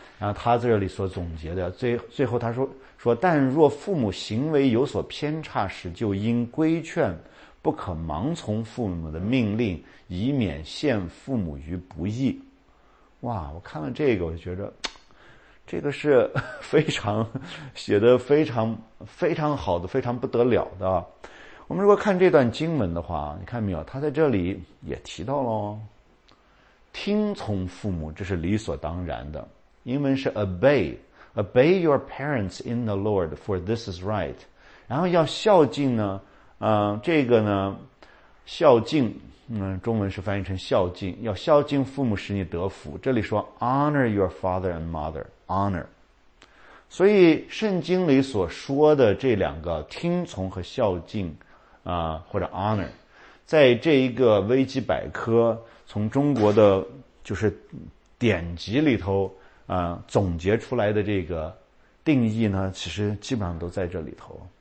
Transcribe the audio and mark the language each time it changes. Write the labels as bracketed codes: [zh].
[zh] 然后他在这里所总结的，最后他说，但若父母行为有所偏差时，就应规劝，不可盲从父母的命令，以免陷父母于不义。哇，我看了这个，我觉得这个是非常写得非常非常好的，非常不得了的。我们如果看这段经文的话，你看没有？他在这里也提到了，听从父母，这是理所当然的。英文是 [en] obey your parents in the Lord, for this is right。 [zh] 然后要孝敬呢，这个呢，孝敬，中文是翻译成孝敬，要孝敬父母使你得福。这里说 [en] honor your father and mother。 [zh] Honor，所以圣经里所说的这两个听从和孝敬啊，或者 honor，在这一个维基百科从中国的就是典籍里头总结出来的这个定义呢，其实基本上都在这里头。